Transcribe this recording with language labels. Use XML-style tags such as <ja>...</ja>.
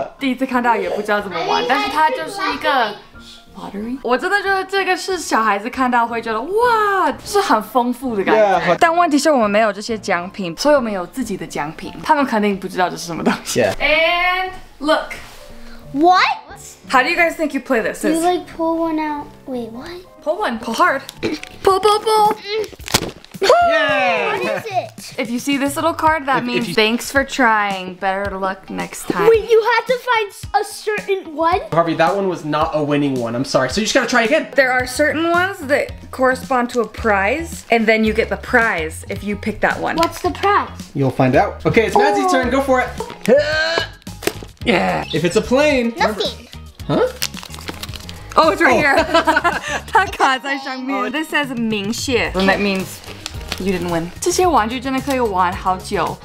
<zh>下一个，抽抽乐，第一次看到也不知道怎么玩，但是它就是一个 lottery。我真的觉得这个是小孩子看到会觉得哇，是很丰富的感觉。但问题是我们没有这些奖品，所以我们有自己的奖品，他们肯定不知道这是什么东西。Yeah.</zh> <en>And look. What? How do you guys think you play this? You like pull one out. Wait, what? Pull one. Pull hard. Pull. Yeah. What is it? If you see this little card, that means thanks for trying. Better luck next time. Wait, you had to find a certain one? Harvey, that one was not a winning one. I'm sorry. So you just gotta try again. There are certain ones that correspond to a prize, and then you get the prize if you pick that one. What's the prize? You'll find out. Okay, it's Mazzy's turn. Go for it. Yeah. If it's a plane. Nothing. Remember, huh? Oh, it's right here. That card says "明". This says "明确", and that means you didn't win.</en> <zh>这些玩具真的可以玩好久.</zh>